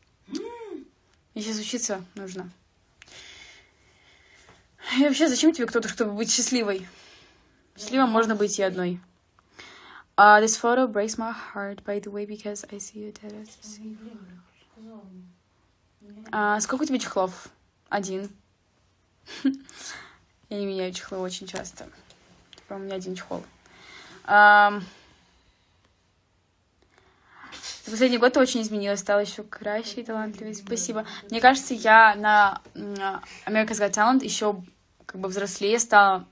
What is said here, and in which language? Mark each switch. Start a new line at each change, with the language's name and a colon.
Russian: Мне сейчас учиться нужно. И вообще, зачем тебе кто-то, чтобы быть счастливой? Счастливой можно быть и одной.
English: This photo breaks my heart, by the way, because I see you dead at the same time.
Russian: Сколько у тебя чехлов? Один. Я не меняю чехлы очень часто. Типа, у меня один чехол. За последний год ты очень изменилась, стала еще краше и талантливее. Спасибо. Мне кажется, я на America's Got Talent еще как бы взрослее стала.